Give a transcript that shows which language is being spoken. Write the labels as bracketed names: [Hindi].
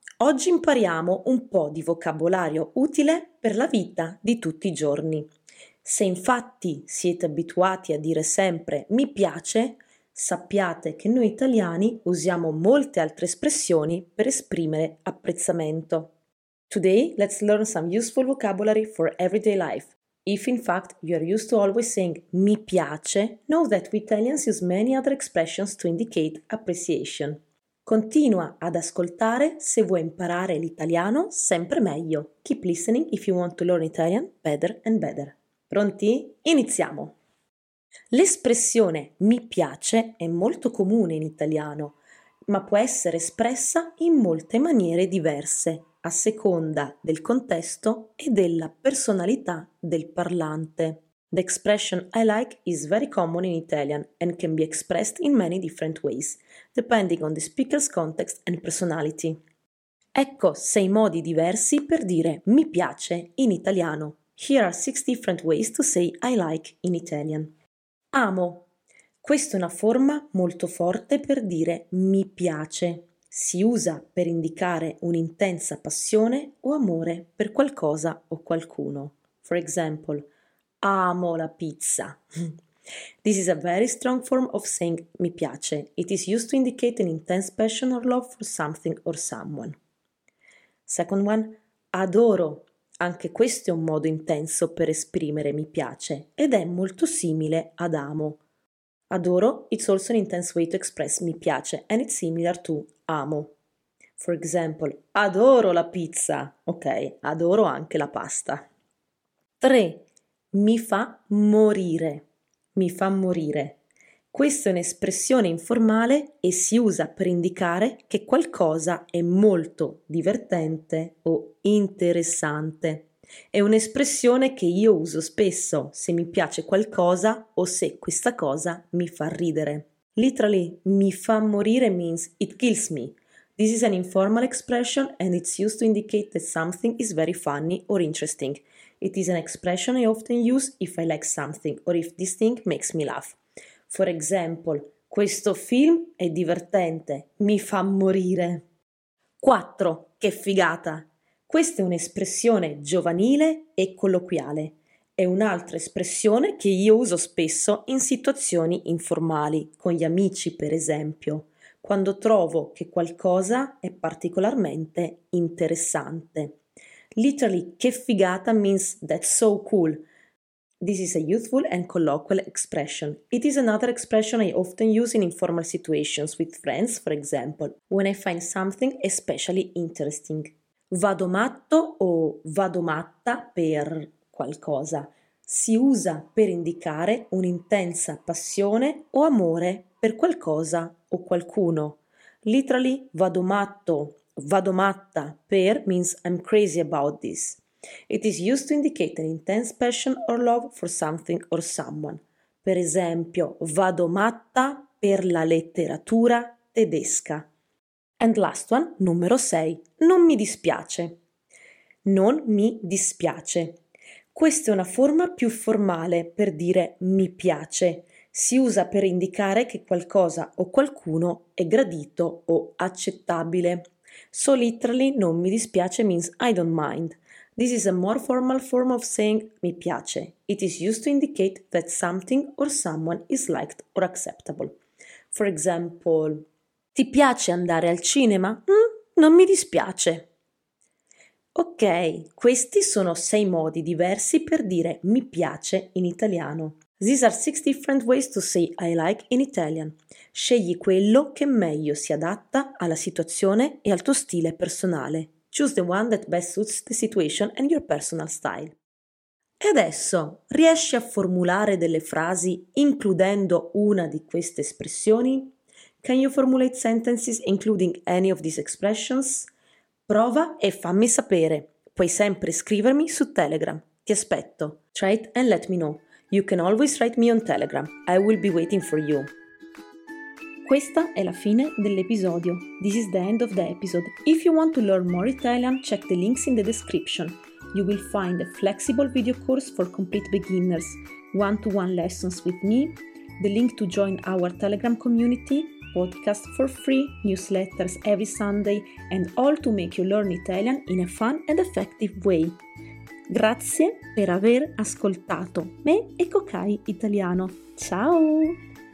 [Italian] Oggi impariamo un po' di vocabolario utile per la vita di tutti i giorni. Se infatti siete abituati a dire sempre mi piace, sappiate che noi italiani usiamo molte altre espressioni per esprimere apprezzamento. [English] Today let's learn some useful vocabulary for everyday life. If in fact you are used to always saying [Italian] mi piace, [English] know that we Italians use many other expressions to indicate appreciation. [Italian] Continua ad ascoltare se vuoi imparare l'italiano sempre meglio. [English] Keep listening if you want to learn Italian better and better. [Italian] Pronti? Iniziamo! L'espressione mi piace è molto comune in italiano, ma può essere espressa in molte maniere diverse, a seconda del contesto e della personalità del parlante. [English] The expression I like is very common in Italian and can be expressed in many different ways, depending on the speaker's context and personality. [Italian] Ecco 6 modi diversi per dire mi piace in italiano. [English] Here are 6 different ways to say I like in Italian. Amo. [Italian] Questa è una forma molto forte per dire mi piace. Si usa per indicare un'intensa passione o amore per qualcosa o qualcuno. [English] For example, [Italian] amo la pizza. [English] This is a very strong form of saying [Italian] mi piace. [English] It is used to indicate an intense passion or love for something or someone. Second one, adoro. [Italian] Anche questo è un modo intenso per esprimere mi piace ed è molto simile ad amo. [English] Adoro, it's also an intense way to express [Italian] mi piace [English] and it's similar to amo. For example, [Italian] adoro la pizza. Ok, adoro anche la pasta. 3. Mi fa morire. Mi fa morire. Questa è un'espressione informale e si usa per indicare che qualcosa è molto divertente o interessante. È un'espressione che io uso spesso se mi piace qualcosa o se questa cosa mi fa ridere. [English] Literally, [Italian] mi fa morire [English] means it kills me. This is an informal expression and it's used to indicate that something is very funny or interesting. It is an expression I often use if I like something or if this thing makes me laugh. For example, [Italian] questo film è divertente, mi fa morire. 4. Che figata! Questa è un'espressione giovanile e colloquiale. È un'altra espressione che io uso spesso in situazioni informali, con gli amici per esempio, quando trovo che qualcosa è particolarmente interessante. [English] Literally, [Italian] che figata [English] means that's so cool. This is a youthful and colloquial expression. It is another expression I often use in informal situations with friends, for example, when I find something especially interesting. [Italian] Vado matto o vado matta per qualcosa. Si usa per indicare un'intensa passione o amore per qualcosa o qualcuno. [English] Literally, [Italian] vado matto. Vado matta per [English] means I'm crazy about this. It is used to indicate an intense passion or love for something or someone. [Italian] Per esempio, vado matta per la letteratura tedesca. [English] And last one, [Italian] numero 6. Non mi dispiace. Non mi dispiace. Questa è una forma più formale per dire mi piace. Si usa per indicare che qualcosa o qualcuno è gradito o accettabile. [English] So literally, [Italian] non mi dispiace [English] means I don't mind. This is a more formal form of saying [Italian] mi piace. [English] It is used to indicate that something or someone is liked or acceptable. For example, [Italian] ti piace andare al cinema? Non mi dispiace. Ok, questi sono 6 modi diversi per dire mi piace in italiano. [English] These are 6 different ways to say I like in Italian. [Italian] Scegli quello che meglio si adatta alla situazione e al tuo stile personale. [English] Choose the one that best suits the situation and your personal style. [Italian] E adesso, riesci a formulare delle frasi includendo una di queste espressioni? [English] Can you formulate sentences including any of these expressions? [Italian] Prova e fammi sapere. Puoi sempre scrivermi su Telegram. Ti aspetto. [English] Try it and let me know. You can always write me on Telegram. I will be waiting for you. [Italian] Questa è la fine dell'episodio. [English] This is the end of the episode. If you want to learn more Italian, check the links in the description. You will find a flexible video course for complete beginners, one-to-one lessons with me, the link to join our Telegram community, podcast for free, newsletters every Sunday, and all to make you learn Italian in a fun and effective way. [Italian] Grazie per aver ascoltato me e Kokai Italiano. Ciao!